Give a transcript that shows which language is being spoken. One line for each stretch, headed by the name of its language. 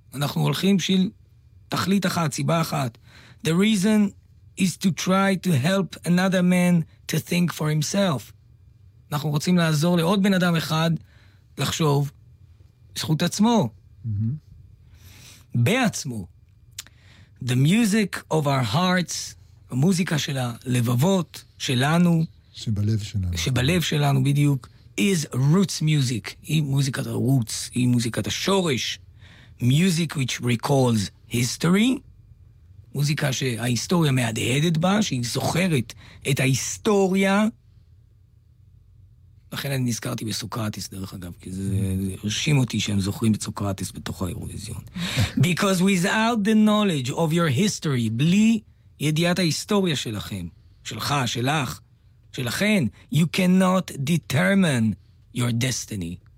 Hebrew: אנחנו הולכים בשביל תכלית אחת, סיבה אחת.
English: The reason is to try to help another man to think for himself.
Hebrew: אנחנו רוצים לעזור לעוד בן אדם אחד לחשוב בזכות עצמו. בעצמו.
English: The music of our hearts,
Hebrew: המוזיקה של הלבבות שלנו, שבלב שלנו בדיוק,
English: is roots music,
Hebrew: היא מוזיקת הרוץ, היא מוזיקת השורש,
English: music which recalls history,
Hebrew: מוזיקה שההיסטוריה מהדהדת בה, שהיא זוכרת את ההיסטוריה, לכן אני נזכרתי בסוקרטיס דרך אגב, כי זה הרשים אותי שהם זוכרים את סוקרטיס בתוך האירוויזיון.
English: Because without the knowledge of your history,
Hebrew: בלי ידיעת ההיסטוריה שלכם, שלך, שלך, שלכן,
English: you cannot determine your destiny.